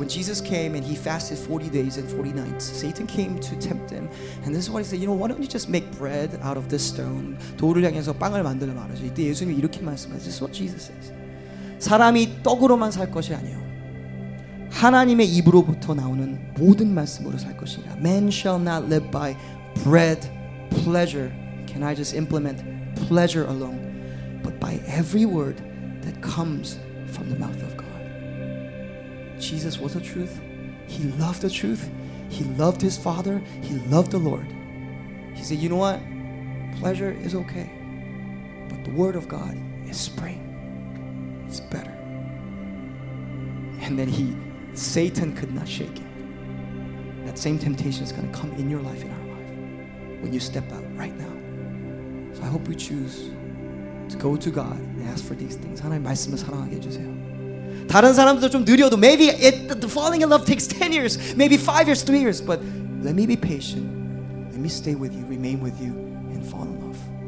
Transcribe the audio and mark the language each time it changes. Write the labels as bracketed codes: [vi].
[en] When Jesus came and he fasted 40 days and 40 nights, Satan came to tempt him. And this is what he said, you know, why don't you just make bread out of this stone? [ko] 돌을 향해서 빵을 만들어 말하죠. 이때 예수님이 이렇게 말씀하셨어요. [en] This is what Jesus says. [ko] 사람이 떡으로만 살 것이 아니요 하나님의 입으로부터 나오는 모든 말씀으로 살 것이라. [en] Man shall not live by bread, pleasure. Can I just implement pleasure alone? But by every word that comes from the mouth of God. Jesus was the truth. He loved the truth. He loved his Father. He loved the Lord. He said, you know what? Pleasure is okay. But the word of God is spring. It's better. And then Satan could not shake it. That same temptation is going to come in your life, in our life, when you step out right now. So I hope you choose to go to God and ask for these things. [ko] 하나님 말씀을 사랑하게 해주세요. 다른 사람들도 좀 느려도 [en] maybe the falling in love takes 10 years, maybe 5 years, 3 years, but let me be patient. Let me stay with you, remain with you, and fall in love.